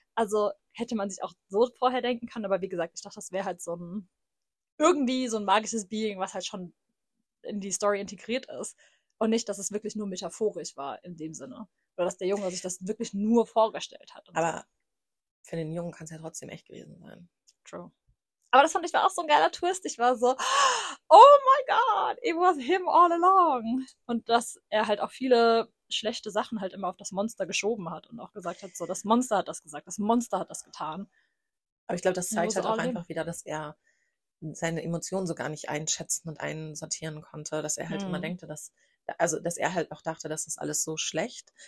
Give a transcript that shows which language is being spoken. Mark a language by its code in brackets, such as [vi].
[de] Also hätte man sich auch so vorher denken können. Aber wie gesagt, ich dachte, das wäre halt so ein, irgendwie so ein magisches Being, was halt schon in die Story integriert ist. Und nicht, dass es wirklich nur metaphorisch war in dem Sinne. Oder dass der Junge sich das wirklich nur vorgestellt hat und so. Aber für den Jungen kann es ja trotzdem echt gewesen sein. [en] True. [de] Aber das fand ich war auch so ein geiler Twist. Ich war so, [en] oh my God, it was him all along. [de] Und dass er halt auch viele schlechte Sachen halt immer auf das Monster geschoben hat und auch gesagt hat, so, das Monster hat das gesagt, das Monster hat das getan. Aber ich glaube, das Und er zeigt muss halt auch [en] all in. [de] einfach wieder, dass er seine Emotionen so gar nicht einschätzen und einsortieren konnte, dass er halt immer denkte, dass er halt auch dachte, das ist alles so schlecht.